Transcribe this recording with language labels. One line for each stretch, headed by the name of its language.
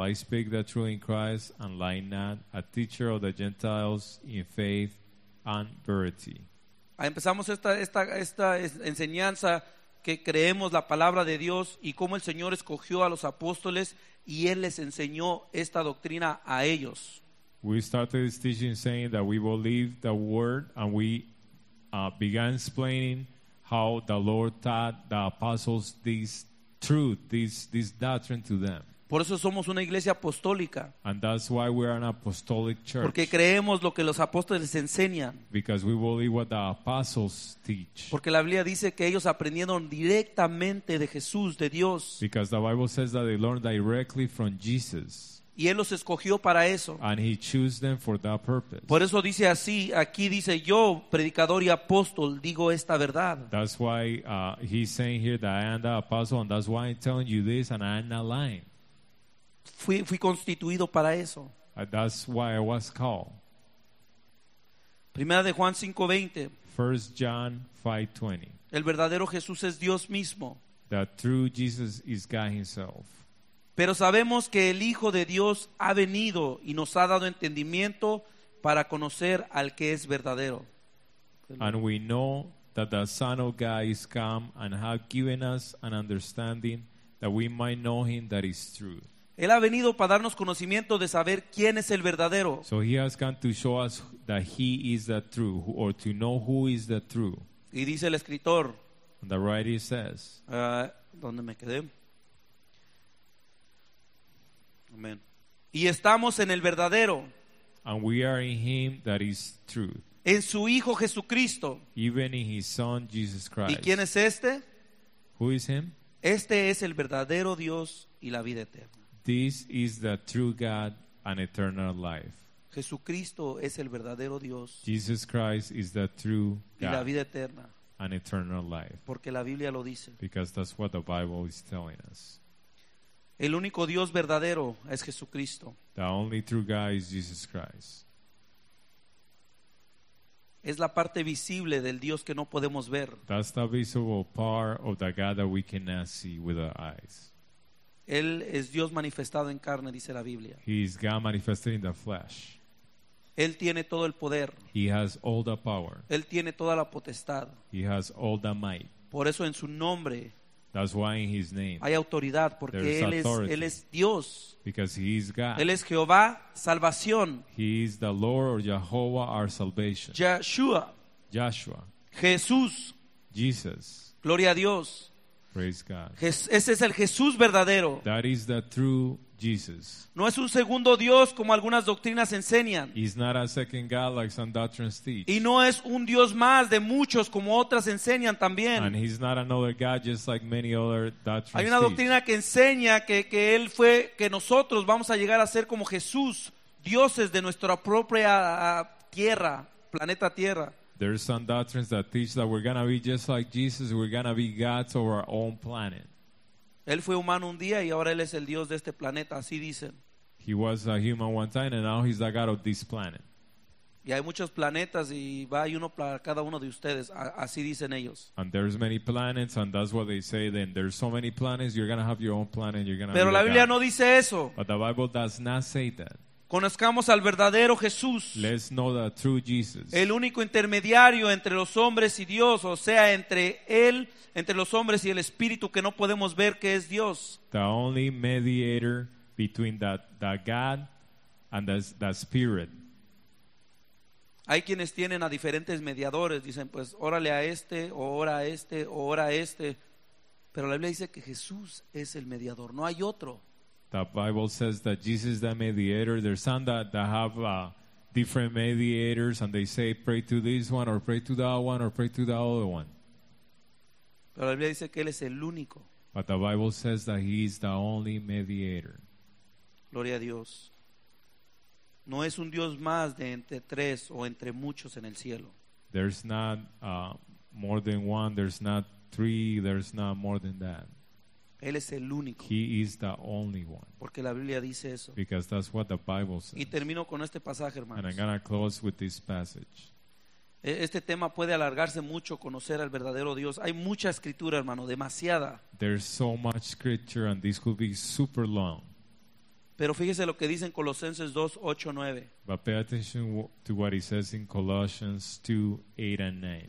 English: I speak the truth in Christ and lie not, a teacher of the Gentiles in faith and verity.
Spanish: Empezamos esta enseñanza que creemos la palabra de Dios y cómo el Señor escogió a los apóstoles y Él les enseñó esta doctrina a ellos.
English: We started this teaching saying that we believe the word, and we began explaining how the Lord taught the apostles this truth, this doctrine to them.
Spanish: Por eso somos una iglesia apostólica.
English: And that's why we are an apostolic church.
Spanish: Porque creemos lo que los apóstoles enseñan.
English: Because we believe what the apostles teach.
Spanish: Porque la Biblia dice que ellos aprendieron directamente de Jesús, de Dios.
English: Because the Bible says that they learned directly from Jesus.
Spanish: Y Él los escogió para eso.
English: And he chose them for that purpose.
Spanish: Por eso dice así, aquí dice, yo, predicador y apóstol, digo esta verdad.
English: That's why he's saying here that I am the apostle, and that's why I'm telling you this, and I'm not lying.
Spanish: Fui constituido para eso.
English: That's why I was called.
Spanish: Primera de Juan 5:20.
English: First John 5:20.
Spanish: El verdadero Jesús es Dios mismo.
English: The true Jesus is God himself.
Spanish: Pero sabemos que el Hijo de Dios ha venido y nos ha dado entendimiento para conocer al que es verdadero.
English: And we know that the Son of God is come and has given us an understanding that we might know him that is true.
Spanish: Él ha venido para darnos conocimiento de saber quién es el verdadero.
English: So he has come to show us that he is the true, or to know who is the true.
Spanish: Y dice el escritor.
English: The writer says.
Spanish: ¿Dónde me quedé? Amén. Y estamos en el verdadero.
English: And we are in him that is true.
Spanish: En su Hijo Jesucristo.
English: Even in his Son Jesus Christ.
Spanish: ¿Y quién es este?
English: Who is him?
Spanish: Este es el verdadero Dios y la vida eterna.
English: This is the true God and eternal life.
Spanish: Jesucristo es el verdadero Dios.
English: Jesus Christ is the true God.
Spanish: Y la vida eterna.
English: And eternal life.
Spanish: Porque la Biblia lo dice.
English: Because that's what the Bible is telling us.
Spanish: El único Dios verdadero es Jesucristo.
English: The only true God is Jesus Christ.
Spanish: Es la parte visible del Dios que no podemos ver.
English: That's the visible part of the God that we cannot see with our eyes.
Spanish: Él es Dios manifestado en carne, dice la Biblia.
English: He is God manifested in the flesh.
Spanish: Él tiene todo el poder.
English: He has all the power.
Spanish: Él tiene toda la potestad.
English: He has all the might.
Spanish: Por eso en su nombre.
English: That's why in his name.
Spanish: Hay autoridad, porque él es Dios.
English: Because he is God.
Spanish: Él es Jehová, salvación.
English: He is the Lord or Jehovah, our salvation.
Spanish: Yahshua. Jesús.
English: Jesus.
Spanish: Gloria a Dios.
English: Praise God.
Spanish: Ese es el Jesús verdadero.
English: That is the true Jesus.
Spanish: No es un segundo Dios como algunas doctrinas enseñan.
English: He's not a second God like some doctrines teach.
Spanish: Y no es un Dios más de muchos como otras enseñan también.
English: And he's not another God just like many other doctrines teach.
Spanish: Hay una doctrina que enseña que él fue, que nosotros vamos a llegar a ser como Jesús, dioses de nuestra propia tierra, planeta Tierra.
English: There are some doctrines that teach that we're going to be just like Jesus. We're going to be gods of our own planet.
Spanish: Él fue humano un día y ahora él es el Dios de este planeta. Así dicen.
English: He was a human one time and now he's the God of this planet.
Spanish: Y hay muchos planetas y va y uno para cada uno de ustedes. Así dicen ellos.
English: And there's many planets and that's what they say. Then there's so many planets, you're going to have your own planet. You're gonna
Spanish: Pero
English: be
Spanish: la
English: a
Spanish: Biblia
English: God.
Spanish: No dice eso.
English: But the Bible does not say that.
Spanish: Conozcamos al verdadero Jesús.
English: Let's know the true Jesus.
Spanish: El único intermediario entre los hombres y Dios, o sea, entre Él, entre los hombres y el Espíritu que no podemos ver que es Dios.
English: The only mediator between the God and the Spirit.
Spanish: Hay quienes tienen a diferentes mediadores. Dicen, pues, órale a este, o ora a este, o ora a este. Pero la Biblia dice que Jesús es el mediador, no hay otro.
English: The Bible says that Jesus is the mediator. There's some that have different mediators, and they say, pray to this one, or pray to that one, or pray to the other one.
Spanish: Pero la Biblia dice que él es el único.
English: But the Bible says that he is the only mediator.
Spanish: Gloria a Dios. No es un Dios más de entre tres o entre muchos en el cielo.
English: There's not more than one, there's not three, there's not more than that.
Spanish: Él es el único.
English: He is the only one.
Spanish: Porque la Biblia dice eso.
English: Because that's what the Bible says.
Spanish: Y termino con este pasaje, hermanos.
English: And I'm going to close with this passage.
Spanish: Este tema puede alargarse mucho, conocer al verdadero Dios. Hay mucha escritura, hermano, demasiada.
English: There's so much scripture, and this could be super long.
Spanish: Pero fíjese lo que dice en Colosenses 2:8-9.
English: But pay attention to what it says in Colossians 2:8-9.